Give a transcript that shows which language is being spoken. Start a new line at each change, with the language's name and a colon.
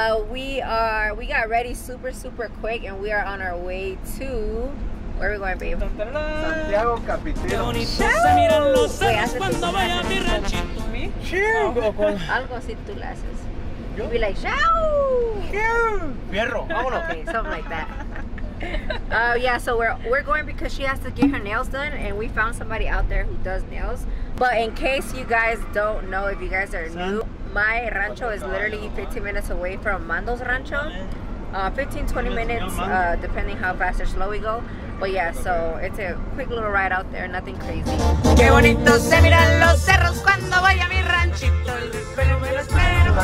English: We got ready super, super quick and we are on our way to, where are we going, babe?
Spanish: Santiago Capitino. Qué bonito se miran los cerros cuando vaya mi ranchito. ¿Me? Chingo. Algo así tú lo haces. ¿Yo?
English: Be like, chao.
Spanish: Fierro, vámonos.
English: Okay, something like that. Yeah, so we're going because she has to get her nails done and we found somebody out there who does nails. But in case you guys don't know, if you guys are new, my rancho is literally 15 minutes away from Mando's rancho. 15-20 minutes, depending how fast or slow we go. But yeah, so it's a quick little ride out there, nothing crazy.
Spanish: Qué bonito se miran los cerros cuando vaya mi ranchito. El pelo me lo espera.